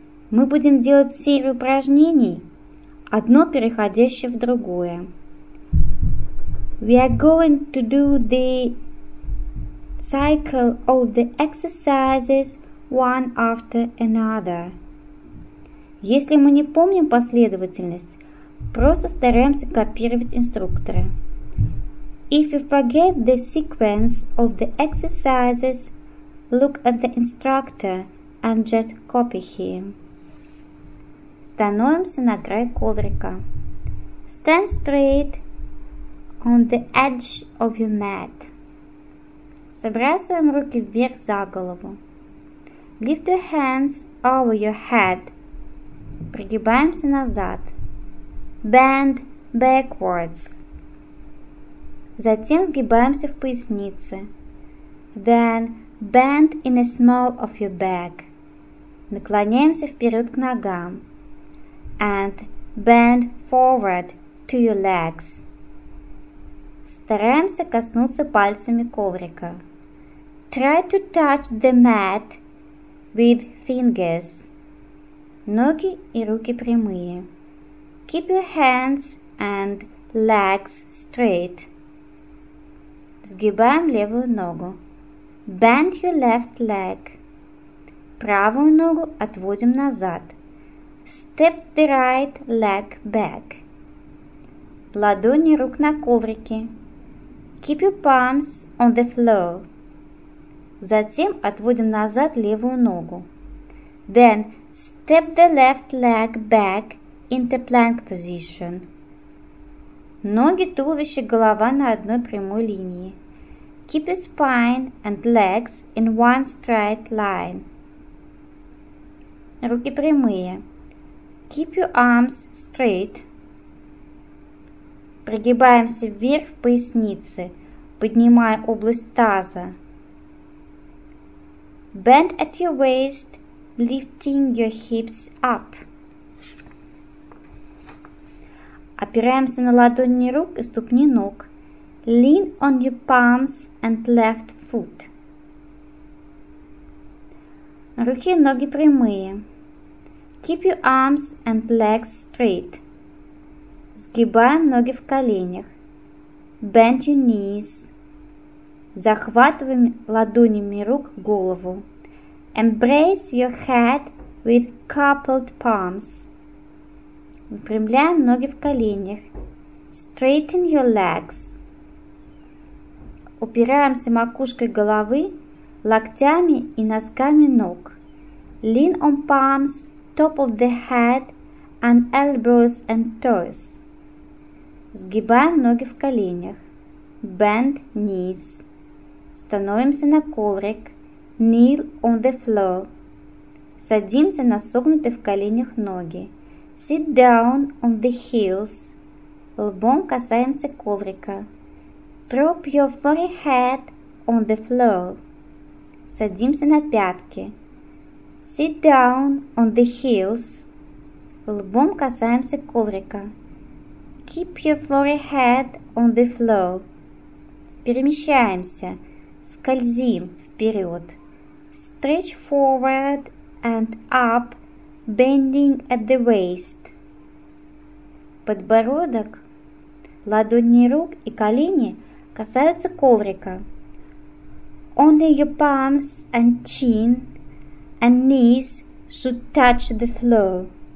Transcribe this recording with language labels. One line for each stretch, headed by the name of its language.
Russian: Мы будем делать серию упражнений, одно переходящее в другое.
English: We are going to do the cycle of the exercises one after another.
Russian: Если мы не помним последовательность, просто стараемся копировать инструктора.
English: If you forget the sequence of the exercises, look at the instructor and just copy him.
Russian: Становимся на край коврика.
English: Stand straight on the edge of your mat.
Russian: Забрасываем руки вверх за голову.
English: Lift your hands over your head.
Russian: Пригибаемся назад.
English: Bend backwards.
Russian: Затем сгибаемся в пояснице.
English: Then bend in the small of your back.
Russian: Наклоняемся вперед к ногам.
English: And bend forward to your legs.
Russian: Стараемся коснуться пальцами коврика.
English: Try to touch the mat with fingers.
Russian: Ноги и руки прямые.
English: Keep your hands and legs straight.
Russian: Сгибаем левую ногу.
English: Bend your left leg.
Russian: Правую ногу отводим назад.
English: Step the right leg back.
Russian: Ладони рук на коврике.
English: Keep your palms on the floor.
Russian: Затем отводим назад левую ногу.
English: Then step the left leg back into plank position.
Russian: Ноги, туловище, голова на одной прямой линии.
English: Keep your spine and legs in one straight line.
Russian: Руки прямые.
English: Keep your arms straight.
Russian: Прогибаемся вверх в пояснице, поднимая область таза.
English: Bend at your waist, lifting your hips up.
Russian: Опираемся на ладони рук и ступни ног.
English: Lean on your palms and left foot.
Russian: Руки и ноги прямые.
English: Keep your arms and legs straight.
Russian: Сгибаем ноги в коленях.
English: Bend your knees.
Russian: Захватываем ладонями рук голову.
English: Embrace your head with coupled palms.
Russian: Выпрямляем ноги в коленях.
English: Straighten your legs.
Russian: Упираемся макушкой головы, локтями и носками ног.
English: Lean on palms, top of the head, and elbows and toes.
Russian: Сгибаем ноги в коленях.
English: Bend knees.
Russian: Становимся на коврик.
English: Kneel on the floor.
Russian: Садимся на согнутые в коленях ноги.
English: Sit down on the heels.
Russian: Лбом касаемся коврика.
English: Drop your forehead on the floor.
Russian: Садимся на пятки.
English: Sit down on the heels.
Russian: Лбом касаемся коврика.
English: Keep your forehead on the floor.
Russian: Перемещаемся. Скользим вперед.
English: Stretch forward and up, bending at the waist.
Russian: Подбородок, ладони рук и колени касаются коврика.
English: Only your palms and chin and knees should touch the floor.